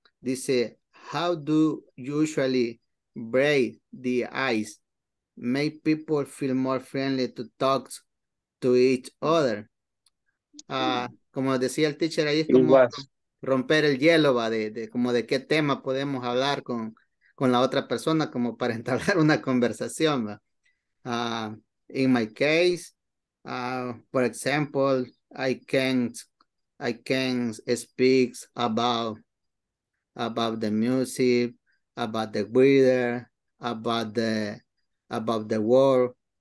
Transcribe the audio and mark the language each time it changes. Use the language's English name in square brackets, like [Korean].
[English] This is how do you usually break the ice, make people feel more friendly to talk to each other. [Spanish] Como decía el teacher ahí, es como romper el hielo, va, de como de qué tema podemos hablar con la otra persona, como para entablar una conversación, va. [English] In my case, for example, I can't speak about the music, about the weather, about the world.